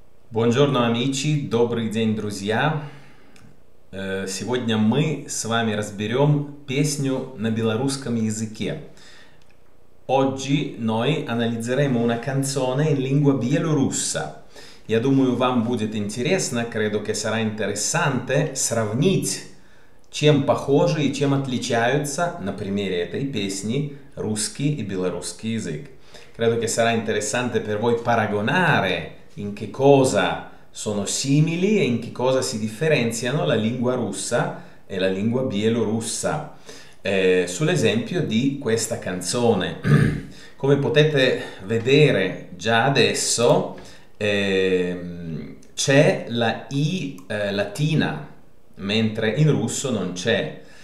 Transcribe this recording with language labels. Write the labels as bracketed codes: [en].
[it] Buongiorno amici, [ru] добрый день, друзья. Сегодня мы с вами разберем песню на белорусском языке. [it] Oggi noi analizzeremo una canzone in lingua bielorussa. [ru] Я думаю, вам будет интересно, [it] credo che sarà interessante [ru] сравнить, чем похожи и чем отличаются на примере этой песни русский и белорусский язык. [it] Credo che sarà interessante per voi paragonare in che cosa sono simili e in che cosa si differenziano la lingua russa e la lingua bielorussa. Sull'esempio di questa canzone. Come potete vedere già adesso, c'è la I latina, mentre in russo non c'è.